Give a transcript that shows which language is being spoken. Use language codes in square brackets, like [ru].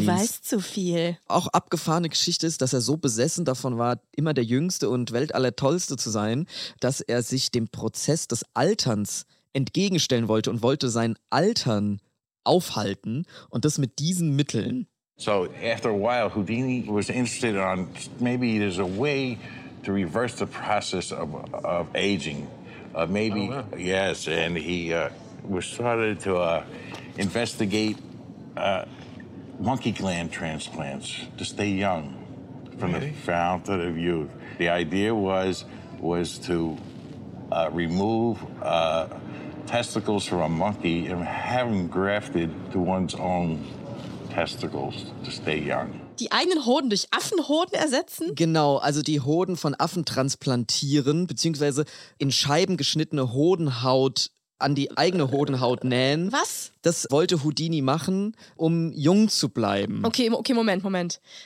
[de] Du weißt zu viel. Auch abgefahrene Geschichte ist, dass er so besessen davon war, immer der Jüngste und Weltallertollste zu sein, dass er sich dem Prozess des Alterns entgegenstellen wollte und wollte sein Altern aufhalten und das mit diesen Mitteln. [en] So after a while Houdini was interested on maybe there's a way to reverse the process of aging. Maybe, oh, wow. Yes, and he was started to investigate monkey gland transplants to stay young from really? The fountain of youth. The idea was to remove testicles from a monkey and have them grafted to one's own testicles to stay young. [de] Die eigenen Hoden durch Affenhoden ersetzen? Genau, also die Hoden von Affen transplantieren, beziehungsweise in Scheiben geschnittene Hodenhaut an die eigene Hodenhaut nähen. Was? Das wollte Houdini machen, um jung zu bleiben. Okay, Moment.